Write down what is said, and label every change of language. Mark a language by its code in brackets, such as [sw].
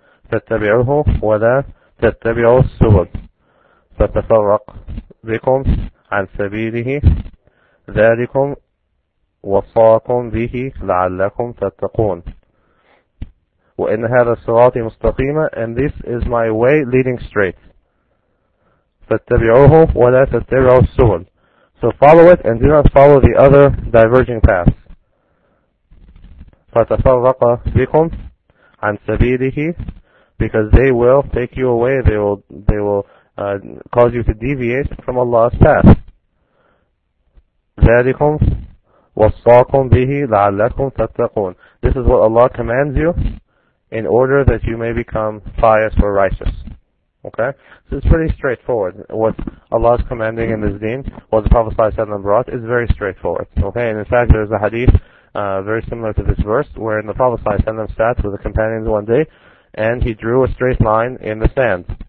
[ar] فاتبعوه ولا تتبعوا السبل فتفرق بكم عن سبيله ذلكم وصاكم به لعلكم تتقون. وإن هذا الصراط مستقيما [en] and this is my way leading straight. [ar] فاتبعوه ولا تتبعوا السبل. [en] So follow it and do not follow the other diverging paths. [ar] فتفرق بكم عن سبيله [en] because they will take you away, they will cause you to deviate from Allah's path. [ar] ذلكم وصاكم به لعلكم تتقون. [en] This is what Allah commands you in order that you may become pious or righteous. Okay? So it's pretty straightforward. What Allah is commanding in this deen, what the Prophet ﷺ brought, is very straightforward. Okay? And in fact, there's a hadith very similar to this verse, wherein the Prophet ﷺ sat with the companions one day, and he drew a straight line in the sand.